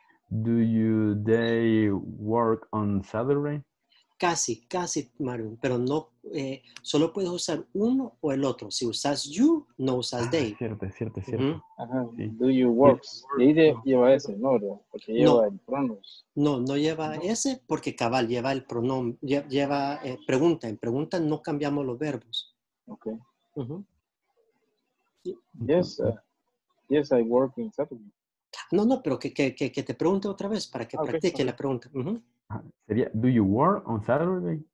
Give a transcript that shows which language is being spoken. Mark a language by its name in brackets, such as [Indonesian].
[English] Do you day work on Saturday? [Spanish] Casi, casi, Marvin. Pero no, solo puedes usar uno o el otro. Si usas you, no usas day. Cierto, cierto, cierto. Uh-huh. Sí. [English] Do you work? Yes. [Spanish] De ahí lleva ese, ¿no? Porque lleva no. El pronombre. No, no lleva no. Ese porque cabal lleva el pronombre, lleva pregunta. En pregunta no cambiamos los verbos. Okay. Uh-huh. [English] Yes, yes, I work in Saturday. [Spanish] No, no, pero que te pregunte otra vez para que okay, practique sorry. La pregunta. Uh-huh. Sería, [English] do you work on Saturday?